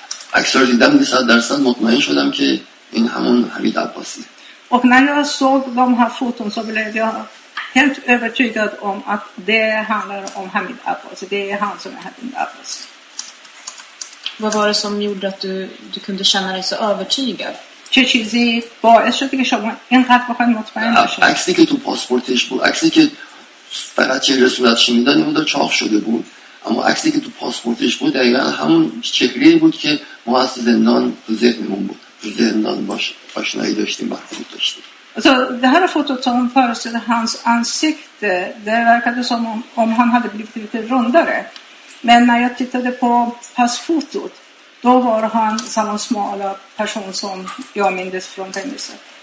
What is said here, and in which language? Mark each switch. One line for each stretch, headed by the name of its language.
Swedish: Axelidam det sa där sen mot mig sådär att in hamon Hamid Abbasi. Och när jag såg de här foton så blev jag helt övertygad om att det handlar om Hamid Abbasi. Det är han som är Hamid Abbasi. Vad var det som gjorde att du kunde känna dig så övertygad?
Persian: چه چیزی باعث شده که شما اینقدر بخواید مطمئن باشید؟ عکسی که تو پاسپورتش بود، عکسی که فقط چهره صورتش میدانی بود و چاق شده بود، اما عکسی که تو پاسپورتش بود دقیقا همون چهره بود که ما از زندان تو ذهنمون بود، تو زندان آشنایی داشتیم، برخورد داشتیم.
Swedish: Så det här fotot som föreställde hans ansikte, det verkade som om han hade blivit lite rundare. Men när jag tittade på passfotot, då var han samma smala person som jag minns från fängelset.